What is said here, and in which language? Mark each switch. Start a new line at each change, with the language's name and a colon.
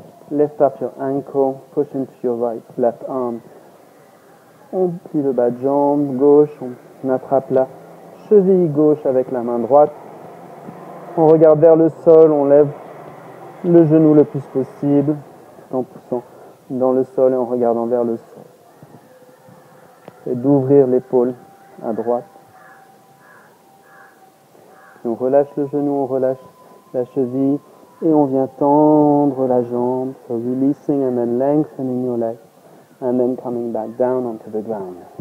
English: Lift up your ankle, push into your right, left arm.
French: On plie le bas de jambe, gauche, on attrape la cheville gauche avec la main droite. On regarde vers le sol, on lève le genou le plus possible, tout en poussant dans le sol et en regardant vers le sol. Et d'ouvrir l'épaule à droite. Puis on relâche le genou, on relâche la cheville et on vient tendre la jambe.
English: So releasing and then lengthening your leg and then coming back down onto the ground.